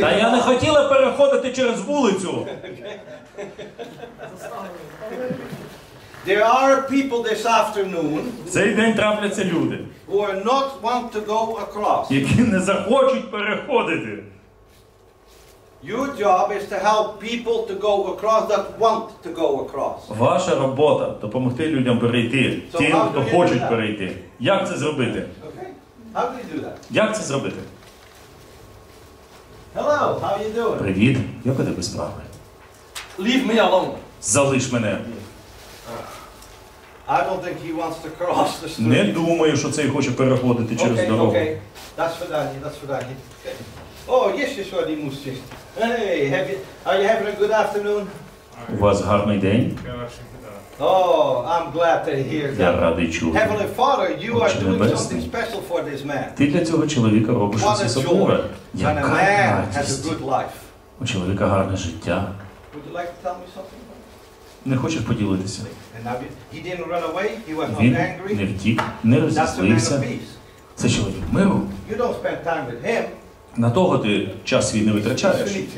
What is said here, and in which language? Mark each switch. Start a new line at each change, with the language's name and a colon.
Ukrainian: Та я не хотіла переходити через вулицю.
English: There are people this afternoon.
Ukrainian: В цей день трапляться люди,
English: who are not want to go across.
Ukrainian: Які не захочуть переходити.
English: Your job is to help people to go across that want to go across.
Ukrainian: Ваша робота допомогти людям перейти, тим, хто хоче перейти. Як це зробити?
English: Okay. How do you do that?
Ukrainian: Як це зробити?
English: Hello, how you doing?
Ukrainian: Привіт. Як у тебе справи?
English: Leave me alone.
Ukrainian: Залиш мене.
English: I don't think he wants to cross the street.
Ukrainian: Не думаю, що цей хоче переходити через дорогу.
English: Okay.
Russian: До свидання.
English: Oh, yes, yes, what he must say. Hey, are you having a good afternoon?
Ukrainian: У вас гарний день?
English: Oh, I'm glad to hear that.
Ukrainian: Я радий чути.
English: Heavenly Father, you are doing something special for this man.
Ukrainian: Ти для цього чоловіка робиш щось особливе. Яка радість. У чоловіка гарне життя.
English: Would you like to tell me something?
Ukrainian: Не хочеш поділитися?
English: He didn't run away, he was not angry.
Ukrainian: Він не втік, не розізлився. Це чоловік миру.
English: You don't spend time with him.
Ukrainian: На того ти час свій не витрачаєш.